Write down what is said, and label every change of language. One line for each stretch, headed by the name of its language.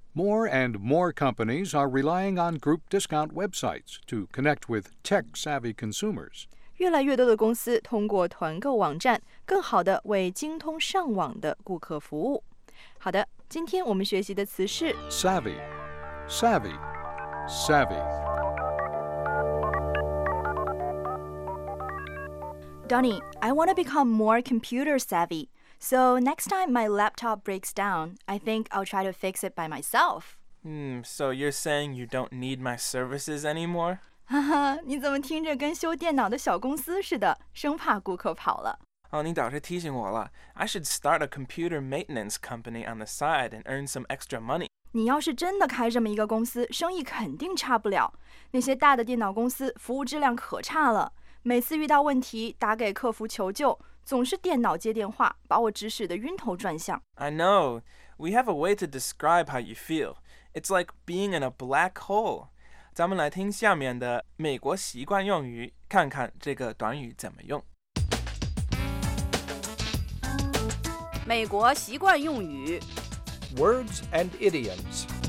English: More and more companies are relying on group discount websites to connect with tech-savvy consumers.
Chinese: 越来越多的公司通过团购网站更好地为精通上网的顾客服务。好的，今天我们学习的词是
English: savvy, savvy, savvy. Donnie, I want to become more computer savvy. So next time my laptop breaks down, I think I'll try to fix it by myself. So you're saying you don't need my services anymore?
Chinese: 哈哈，你怎么听着跟修电脑的小公司似的，生怕顾客跑了。哦，你倒是提醒我了。
English: I should start a computer maintenance company on the side and earn some extra money.
Chinese: 你要是真的开这么一个公司，生意肯定差不了。那些大的电脑公司服务质量可差了。每次遇到问题打给客服求救，总是电脑接电话，把我指使得晕头转向。
English: I know. We have a way to describe how you feel. It's like being in a black hole.
Chinese: 咱们来听下面的美国习惯用语，看看这个短语怎么用。美国习惯用语
English: Words and idioms.